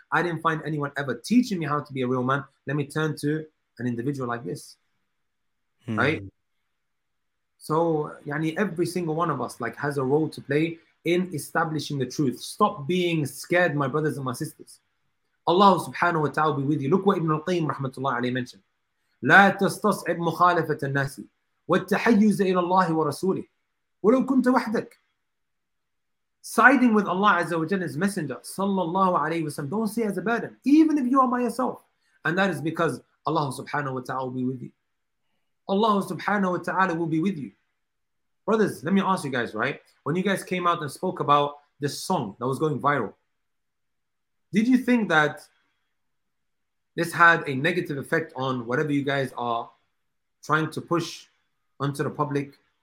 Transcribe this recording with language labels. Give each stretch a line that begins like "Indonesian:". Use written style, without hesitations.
English: I didn't find anyone ever teaching me how to be a real man. Let me turn to an individual like this. Hmm. Right? So, yani, every single one of us like has a role to play in establishing the truth. Stop being scared, my brothers and my sisters. Allah subhanahu wa ta'ala be with you. Look what Ibn al-Qayyim rahmatullah alayhi mentioned.
Arabic: لا تستصعب مخالفة الناس والتحيز إلى الله ورسوله ولو كنت وحدك.
English: Siding with Allah Azza wa Jalla's messenger sallallahu alayhi wa sallam, don't see it as a burden, even if you are by yourself. And that is because Allah subhanahu wa ta'ala will be with you. Allah subhanahu wa ta'ala will be with you. Brothers, let me ask you guys, right? When you guys came out and spoke about this song that was going viral, did you think that this had a negative effect on whatever you guys are trying to push onto the public?